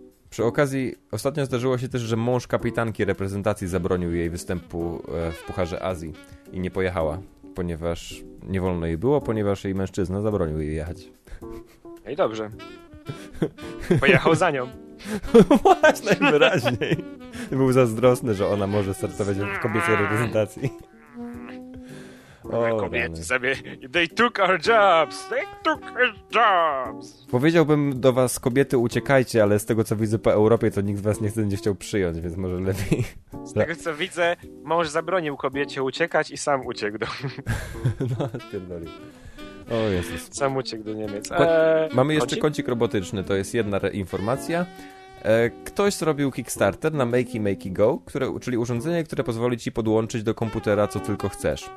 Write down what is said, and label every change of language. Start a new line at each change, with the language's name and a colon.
Polish: Przy okazji, ostatnio zdarzyło się też, że mąż kapitanki reprezentacji zabronił jej występu w Pucharze Azji i nie pojechała, ponieważ nie wolno jej było, ponieważ jej mężczyzna zabronił jej jechać. No i dobrze. Pojechał za nią. Właśnie, najwyraźniej. Był zazdrosny, że ona może startować w kobiecej reprezentacji. O, kobiety sobie,
English: they took our jobs, they took our jobs.
Polish: Powiedziałbym do was, kobiety, uciekajcie, ale z tego co widzę po Europie, to nikt z was nie będzie chciał przyjąć, więc może lepiej. Z tego co widzę, mąż zabronił kobiecie uciekać i sam uciekł do... No, pierdoli. O Jezus. Sam uciekł do Niemiec. Mamy jeszcze kącik robotyczny, to jest jedna informacja. Ktoś zrobił Kickstarter na Makey Makey Go, czyli urządzenie, które pozwoli ci podłączyć do komputera co tylko chcesz.